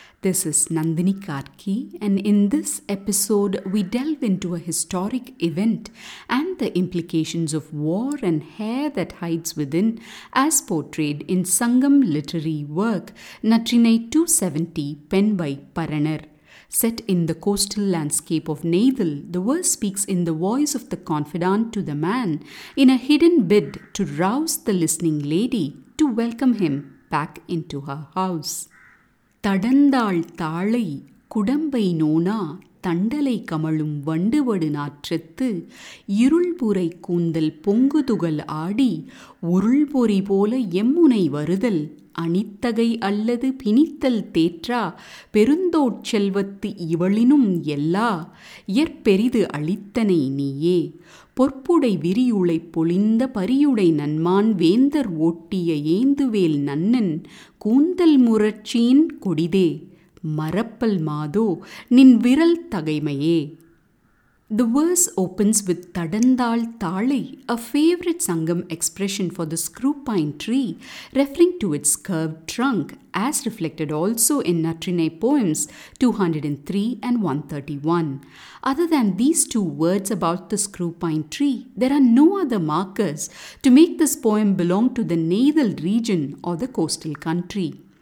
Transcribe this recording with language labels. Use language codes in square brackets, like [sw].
[en] This is Nandini Karki, and in this episode we delve into a historic event and the implications of war and hair that hides within as portrayed in Sangam literary work Natrinai 270 penned by Paranar. Set in the coastal landscape of Neythal, the verse speaks in the voice of the confidante to the man in a hidden bid to rouse the listening lady to welcome him back into her house. [ta] Tadandal thalai kudambai nona tandalai kamalum vanduvadu naatrethu irulpurai koondal ponguthugal aadi urulpori pola emmunai varudal அனித்தகை அல்லது பிணித்தல் தேற்றா பெருந்தோட் செல்வத்து இவளினும் எல்லா எற்பெரிது அளித்தனை நீயே பொற்புடை விரியுளை பொழிந்த பரியுடை நன்மான் வேந்தர் ஓட்டிய ஏந்துவேல் நன்னன் கூந்தல் முரட்சியின் கொடிதே மரப்பல் மாதோ நின் விரல் தகைமையே. [en] The verse opens with Tadandal Thalai, a favorite Sangam expression for the screw pine tree, referring to its curved trunk, as reflected also in Natrinai poems 203 and 131. Other than these two words about the screw pine tree, there are no other markers to make this poem belong to the Neythal region or the coastal country.